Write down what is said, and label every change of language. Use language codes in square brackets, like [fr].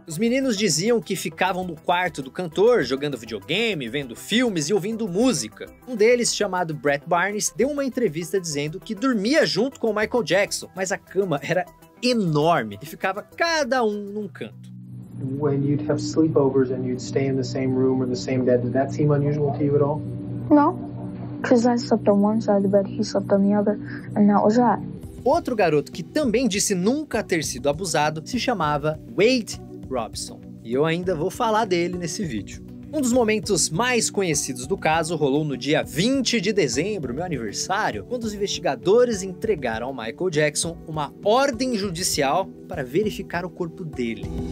[pt] Os meninos diziam que ficavam no quarto do cantor, jogando videogame, vendo filmes e ouvindo música. Um deles, chamado Brett Barnes, deu uma entrevista dizendo que dormia junto com o Michael Jackson, mas a cama era enorme e ficava cada um num canto. [en] When you'd have sleepovers and you'd stay in the same room or the same bed, did that seem unusual to you at all? No, because I slept on one side of the bed, he slept on the other, and that was that. [pt] Outro garoto que também disse nunca ter sido abusado se chamava Wade Robson, e eu ainda vou falar dele nesse vídeo. Um dos momentos mais conhecidos do caso rolou no dia 20 de dezembro, meu aniversário, quando os investigadores entregaram ao Michael Jackson uma ordem judicial para verificar o corpo dele.